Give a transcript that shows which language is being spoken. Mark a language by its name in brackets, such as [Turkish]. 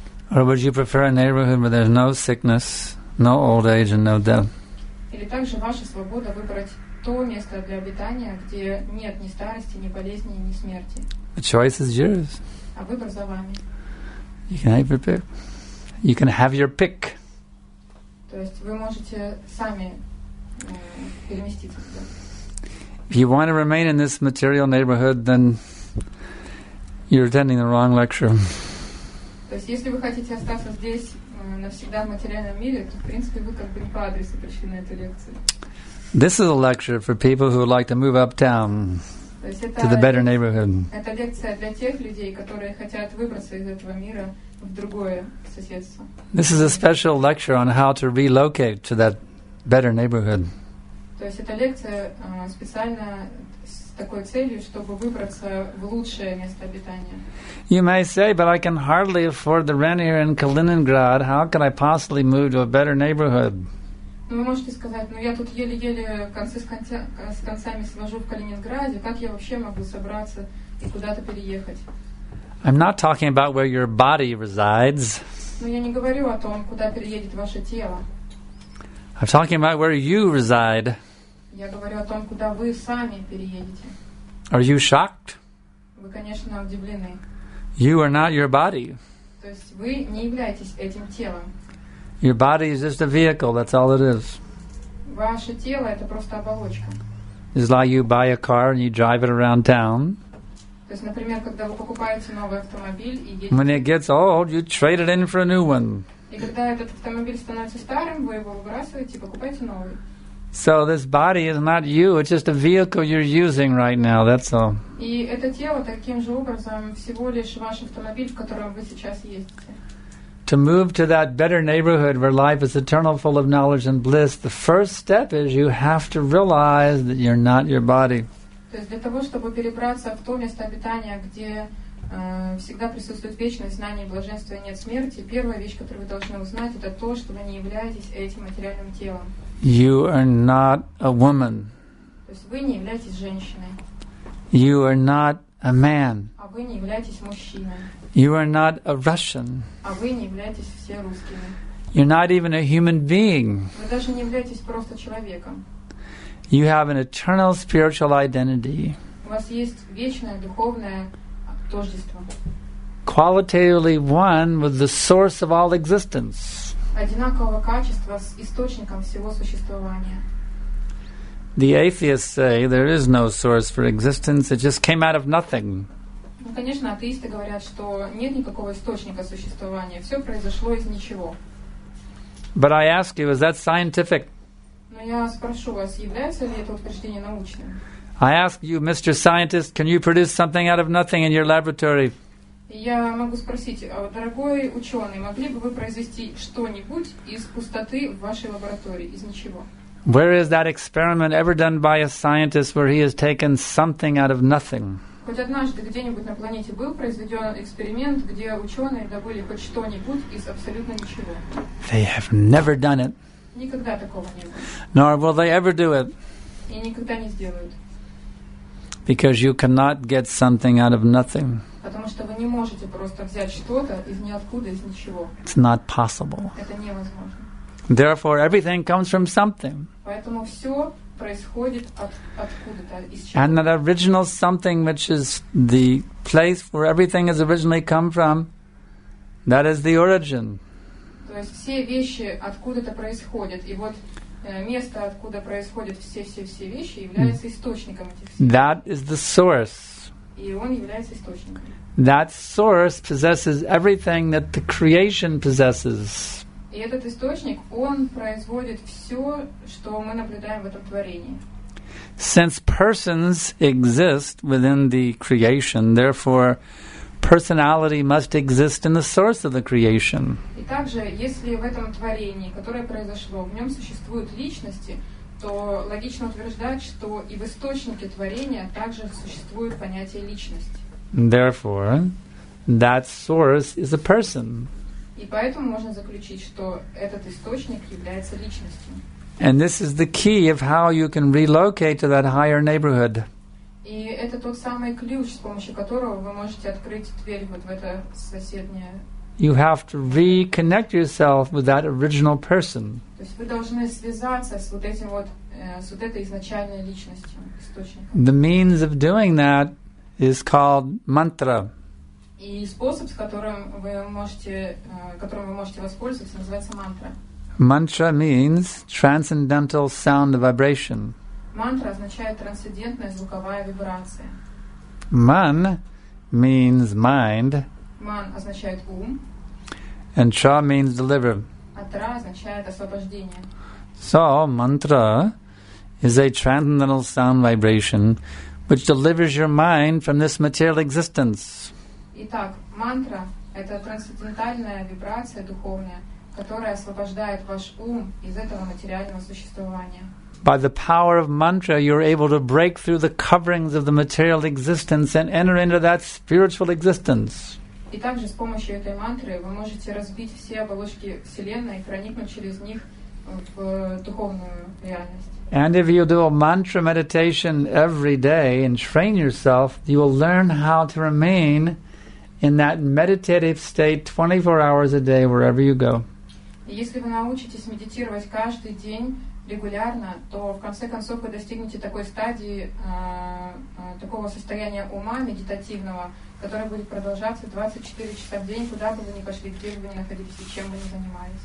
[English] Or would you prefer a neighborhood where there's no sickness, no old age, and no death? [Russian] Или также ваша свобода выбрать то место для обитания, где нет ни старости, ни болезни, ни смерти. [English] The choice is yours. [Russian] А выбор за вами. [English] You can have your pick. You can have your pick. [Russian] То есть вы можете сами переместиться туда. [English] If you want to remain in this material neighborhood, then you're attending the wrong lecture. [Russian] То есть если вы хотите остаться здесь, навсегда в материальном мире, то, в принципе, вы как бы по адресу пришли этой лекции. [English] This is a lecture for people who would like to move uptown to the better neighborhood. [Russian] Это лекция для тех людей, которые хотят выбраться из этого мира в другое соседство. [English] This is a special lecture on how to relocate to that better neighborhood. [Russian] То есть эта лекция специально с такой целью, чтобы выбраться в лучшее место обитания. [English] You may say, but I can hardly afford the rent here in Kaliningrad. How can I possibly move to a better neighborhood? [Russian] Вы можете сказать, ну я тут еле-еле с концами свожу в Калининграде. Как я вообще могу собраться и куда-то переехать? [English] I'm not talking about where your body resides. [Russian] Ну я не говорю о том, куда переедет ваше тело. [English] I'm talking about where you reside. [Russian] Я говорю о том, куда вы сами переедете. [English] Are you shocked? [Russian] Вы, конечно, удивлены. [English] You are not your body. [Russian] То есть вы не являетесь этим телом. [English] Your body is just a vehicle, that's all it is. [Russian] Ваше тело — это просто оболочка. [English] It's like you buy a car and you drive it around town. [Russian] То есть, например, когда вы покупаете новый автомобиль и едете... [English] When it gets old, you trade it in for a new one. [Russian] И когда этот автомобиль становится старым, вы его выбрасываете и покупаете новый. [English] So this body is not you, it's just a vehicle you're using right now, that's all. [Russian] И это тело таким же образом всего лишь ваш автомобиль, в котором вы сейчас ездите. [English] To move to that better neighborhood where life is eternal, full of knowledge and bliss, the first step is you have to realize that you're not your body. [Russian] То есть для того, чтобы перебраться в то место обитания, где всегда присутствует вечность, знание, блаженство и нет смерти, первая вещь, которую вы должны узнать, это то, что вы не являетесь этим материальным телом. [English] You are not a woman. [Russian] То есть вы не являетесь женщиной. [English] You are not a man. [Russian] А вы не являетесь мужчиной. [English] You are not a Russian. [Russian] А вы не являетесь все русскими. [English] You're not even a human being. [Russian] Вы даже не являетесь просто человеком. [English] You have an eternal spiritual identity. [Russian] У вас есть вечное духовное тождество. [English] Qualitatively one with the source of all existence. [Russian] Одинакового качества с источником всего существования. [English] The atheists say there is no source for existence, it just came out of nothing. [Russian] Ну, конечно, атеисты говорят, что нет никакого источника существования, все произошло из ничего. [English] But I ask you, is that scientific? [Russian] Но я спрошу вас, является ли это утверждение научным? [English] I ask you, Mr. Scientist, can you produce something out of nothing in your laboratory? [Russian] Я могу спросить, дорогой ученый, могли бы вы произвести что-нибудь из пустоты в вашей лаборатории, из ничего? [English] Where is that experiment ever done by a scientist where he has taken something out of nothing? [Russian] Хоть однажды где-нибудь на планете был произведен эксперимент, где ученые добыли хоть что-нибудь из абсолютно ничего? [English] They have never done it. [Russian] Никогда такого не было. [English] Nor will they ever do it. [Russian] И никогда не сделают. [English] Because you cannot get something out of nothing. [Russian] Потому что вы не можете просто взять что-то из ниоткуда, из ничего. [English] It's not possible. [Russian] Это невозможно. [English] Therefore, everything comes from something. [Russian] Поэтому все происходит откуда-то, из чего. [English] And that original something, which is the place where everything has originally come from, that is the origin. [Russian] То есть все вещи откуда-то происходят, и вот место, откуда происходят все-все-все вещи, является источником этих всех. [English] That is the source. [Russian] И он является источником. [English] That source possesses everything that the creation possesses. [Russian] И этот источник, он производит все, что мы наблюдаем в этом творении. [English] Since persons exist within the creation, therefore personality must exist in the source of the creation. [Russian] И также, если в этом творении, которое произошло, в нем существуют личности, то логично утверждать, что и в источнике творения также существует понятие личности. [English] Therefore, that source is a person. [Russian] И поэтому можно заключить, что этот источник является личностью. [English] And this is the key of how you can relocate to that higher neighborhood. [Russian] И это тот самый ключ, с помощью которого вы можете открыть дверь вот в это соседнее. [English] You have to reconnect yourself with that original person. [Russian] То есть вы должны связаться с вот этим вот, с вот этой изначальной личностью, источником. [English] The means of doing that is called mantra. [Russian] И способ, которым вы можете воспользоваться, называется мантра. [English] Mantra means transcendental sound vibration. [Russian] Мантра означает трансцендентная звуковая вибрация. [English] Man means mind. [Russian] Man означает ум. [English] And tra means deliver. [Russian] А tra означает освобождение. [English] So mantra is a transcendental sound vibration which delivers your mind from this material existence. [Russian] Итак, мантра — это трансцендентальная вибрация духовная, которая освобождает ваш ум из этого материального существования. [English] By the power of mantra, you're able to break through the coverings of the material existence and enter into that spiritual existence. [Russian] И также с помощью этой мантры вы можете разбить все оболочки Вселенной и проникнуть через них в духовную реальность. [English] And if you do a mantra meditation every day and train yourself, you will learn how to remain in that meditative state 24 hours a day wherever you go. [Russian] Если вы научитесь медитировать каждый день регулярно, то в конце концов вы достигнете такой стадии, такого состояния ума медитативного, которое будет продолжаться 24 часа в день, куда бы вы ни пошли, где бы вы ни находились, чем бы ни занимались.